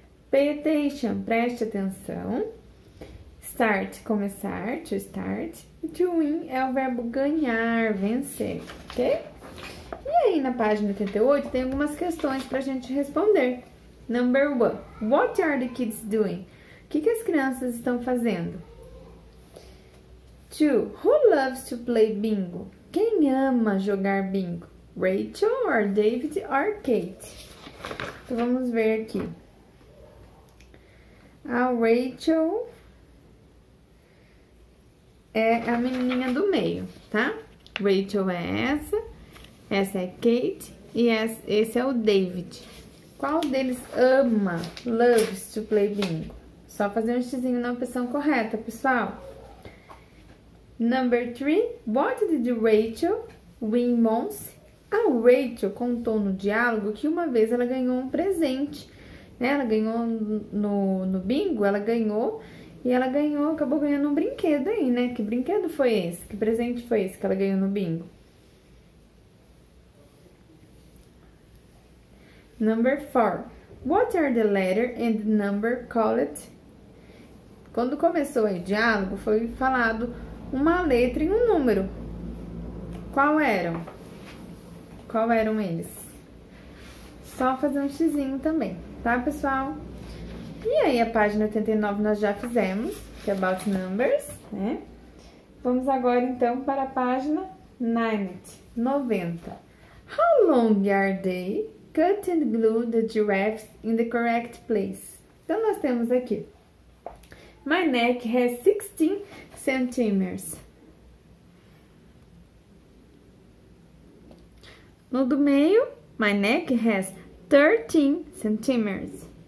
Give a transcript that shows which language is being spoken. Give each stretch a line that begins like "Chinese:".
English: Pay attention,
Portuguese: preste atenção.
English: Start, começar, to start. To win
Portuguese: é o verbo ganhar, vencer, ok? E aí, na página 88, tem algumas questões para a gente responder.
English: Number one, what are the kids doing?
Portuguese: O que as crianças estão fazendo?
English: Two, who loves to play bingo?
Portuguese: Quem ama jogar bingo? Rachel,
English: or David, or Kate?
Portuguese: Então, vamos ver aqui. A Rachel é a menininha do meio, tá? Rachel é essa é Kate e esse é o David. Qual deles ama,
English: loves to play bingo?
Portuguese: Só fazer um xizinho na opção correta, pessoal.
English: Number three, what did Rachel win once?
Portuguese: A Rachel contou no diálogo que uma vez ela ganhou um presente, né? Ela ganhou no bingo, ela ganhou. E ela ganhou, acabou ganhando um brinquedo aí, né? Que brinquedo foi esse? Que presente foi esse que ela ganhou no bingo?
English: Number four. What are the letter and number called?
Portuguese: Quando começou aí o diálogo, foi falado uma letra e um número. Qual eram? Qual eram eles? Só fazer um xizinho também, tá, pessoal? E aí, a página 89 nós já fizemos, que é
English: about numbers,
Portuguese: né? Vamos agora, então, para a página 90.
English: How long are they? Cut and glue the giraffes in the correct place.
Portuguese: Então, nós temos aqui.
English: My neck has 16 centimeters.
Portuguese: No do meio,
English: my neck has 13 centimeters.